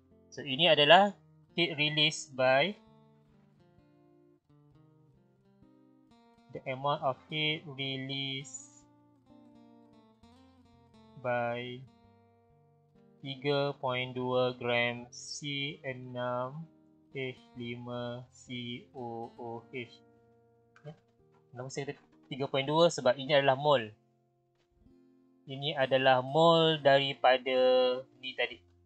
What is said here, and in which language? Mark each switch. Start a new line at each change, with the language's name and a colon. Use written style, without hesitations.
Malay: So ini adalah
English: heat release by The amount of heat released by 3.2 gram C6H5COOH.
Malay: Kenapa saya kata 3.2? Sebab ini adalah mol. Ini adalah mol daripada ni tadi.